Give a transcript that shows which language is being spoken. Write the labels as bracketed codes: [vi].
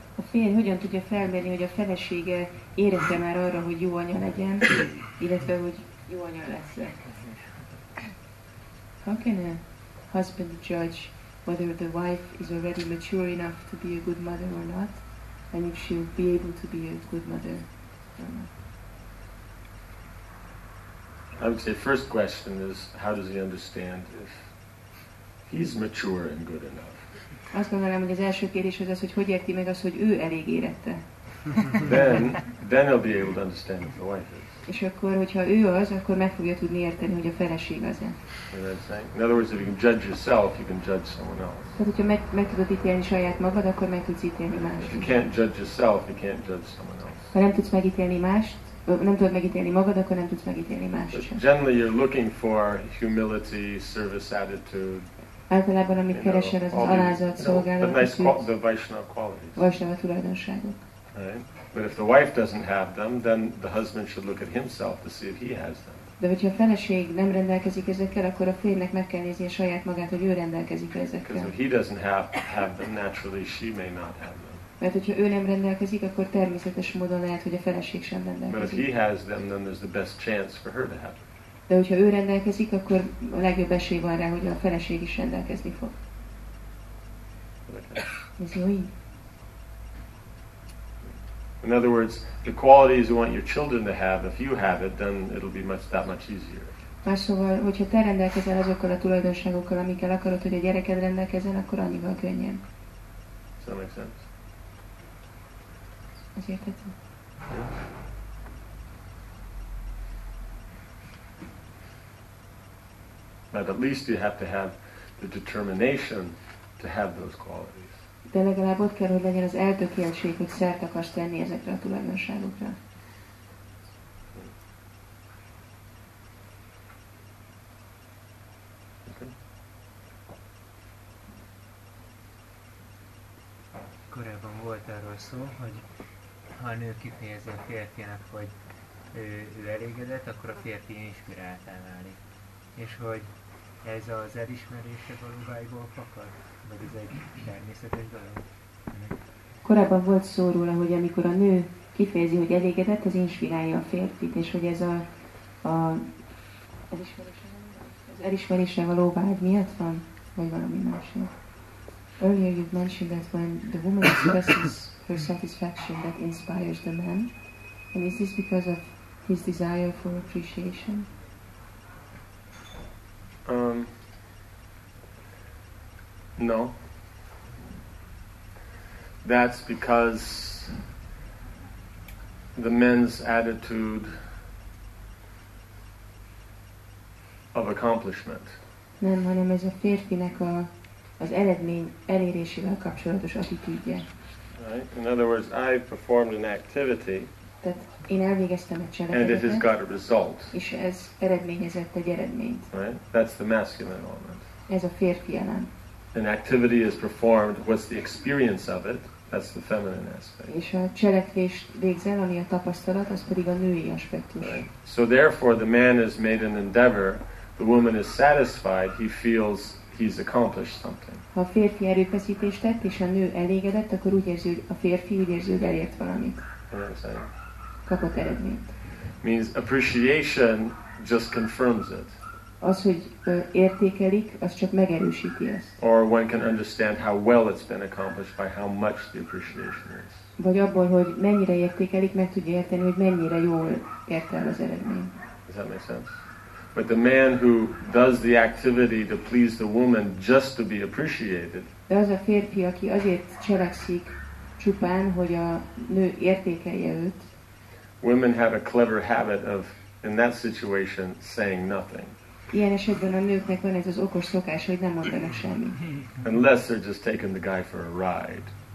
[hu] Én hogyan tudja felmérni, hogy a felesége érezte már arra, hogy jó anya legyen, illetve hogy jó anya lesz-e? [en] How can a husband judge whether the wife is already mature enough to be a good mother or not, and if she will be able to be a good mother or not? I would say first question is, how does he understand if he's mature and good enough? [hu] Azt gondolom, hogy az első kérdés az, hogy hogy érti meg az, hogy ő elég érette. [en] Then he'll be able to understand if the wife is. [hu] És akkor, hogyha ő az, akkor meg fogja tudni érteni, hogy a feleség az-e. [en] In other words, if you can judge yourself, you can judge someone else. [hu] Tehát, hogyha meg tudod ítélni saját magad, akkor meg tudsz ítélni mást. [en] If you can't judge yourself, you can't judge someone else. [hu] Ha nem tudsz megítélni mást, nem tudod megítélni magad, akkor nem tudsz megítélni mást. [en] But generally, you're looking for humility, service attitude. [hu] Általában, amit keresel, az alázat, szolgálat, [en] the Vaishnava qualities. [hu] Vaishnava tulajdonságok. [en] But if the wife doesn't have them, then the husband should look at himself to see if he has them. [hu] De hogyha a feleség nem rendelkezik ezekkel, akkor a férjnek meg kell nézni a saját magát, hogy ő rendelkezik ezekkel. [en] Because if he doesn't have them, naturally she may not have them. [hu] Mert hogyha ő nem rendelkezik, akkor természetes módon lehet, hogy a feleség sem rendelkezik. [en] But if he has them, then there's the best chance for her to have them. [hu] De hogyha ő rendelkezik, akkor a legjobb esély van rá, hogy a feleség is rendelkezni fog. Ez jó így? [en] In other words, the qualities you want your children to have, if you have it, then it'll be that much easier. [hu] Más szóval, hogyha te rendelkezel azokkal a tulajdonságokkal, amikkel akarod, hogy a gyereked rendelkezzen, akkor annyival könnyen. [en] Does that make sense? [hu] Az érted? [en] Yeah. But at least you have to have the determination to have those qualities. [hu] De legalább ott kell, hogy legyen az eltökéltség, hogy szert akarsz tenni ezekre a tulajdonságokra. [en] Okay. [hu] Korábban volt arról szó, hogy ha a nő kifejezi a férfinak, hogy ő elégedett, akkor a férfi inspiráltá válik. És hogy ez az elismerése valóvágyból fakad? Korábban volt szó róla, hogy amikor a nő kifejezi, hogy elégedett, az inspirálja a férfit, és hogy ez az elismerése való vágy miatt van, vagy valami másik. [en] Earlier you've mentioned that when the woman expresses her satisfaction, that inspires the man. And is this because of his desire for appreciation? No. That's because the men's attitude of accomplishment. [hu] Nem, hanem ez a férfinek az eredmény elérésével kapcsolatos attitűdje. [en] Right. In other words, I performed an activity. [hu] Tehát én elvégeztem egy cselekedetet. [en] And it has got a result. [hu] És ez eredményezett egy eredményt. [en] Right. That's the masculine element. [hu] Ez a férfi elem. [en] An activity is performed, what's the experience of it? That's the feminine aspect. [hu] És a cselekvés végzel, ami a tapasztalat, az pedig a női aspektus. [en] Right. So therefore, the man has made an endeavor, the woman is satisfied, he feels he's accomplished something. [hu] Ha a férfi erőfeszítést tett, és a nő elégedett, akkor úgy érzi, hogy a férfi úgy érzi, hogy elért valamit. Kapott eredményt. [en] Means appreciation just confirms it. [hu] Az, hogy értékelik, az csak megerősíti ezt. [en] Or one can understand how well it's been accomplished by how much the appreciation is. [hu] Vagy abból, hogy mennyire értékelik, meg tudja érteni, hogy mennyire jól ért el az eredmény. [en] Does that make sense? But the man who does the activity to please the woman just to be appreciated. [hu] De az a férfi, aki azért cselekszik csupán, hogy a nő értékelje őt. [en] Women have a clever habit of, in that situation, saying nothing. [hu] Ilyen esetben a nőknek van ez az okos szokás, hogy nem mondanak semmit. [en] Unless they're just taking the guy for a ride.